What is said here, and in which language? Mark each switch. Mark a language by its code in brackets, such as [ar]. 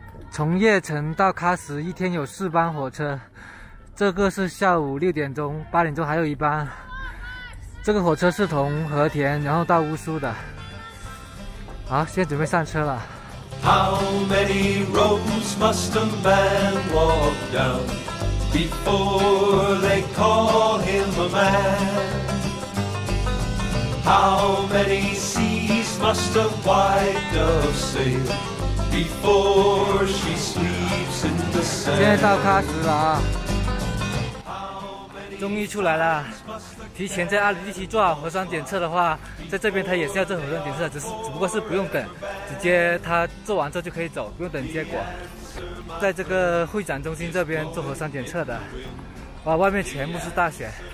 [zh] 从叶城到喀什一天有4班火车，这个是下午6点钟，8点钟还有一班。这个火车是从和田然后到乌苏的。好，现在准备上车了。 [en] How many roads must a man walk down? Before they call him a man How many seas must a white dove sail Before she sleeps in the sand [zh] 现在到喀什了啊，终于出来了。提前在2017做好核酸检测的话，在这边他也是要做核酸检测，只不过是不用等，直接他做完之后就可以走，不用等结果。在这个会展中心这边做核酸检测的，哇，外面全部是大雪。